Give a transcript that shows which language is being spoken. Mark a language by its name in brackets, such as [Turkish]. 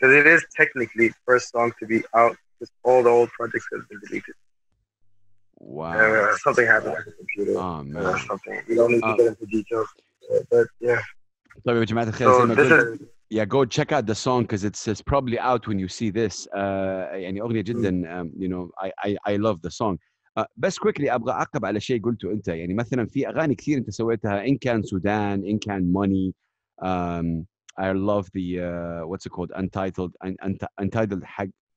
[English] Cause it is technically the first song to be out because all the old projects have been deleted. Wow. Something happened on the computer. Oh man. Or something. We don't need to get into details. But yeah. Sorry, what you meant to say? Yeah, go check out the song because it's probably out when you see this. [Arabic] يعني أغنية جدا, [English] you know, I love the song. [Arabic] بس [English] quickly [Arabic] أبغى أعقب على شيء قلته أنت. يعني مثلا في أغاني كثير أنت سويتها, إن كان سودان, إن كان Money. [English] I love the what's it called, Untitled حق.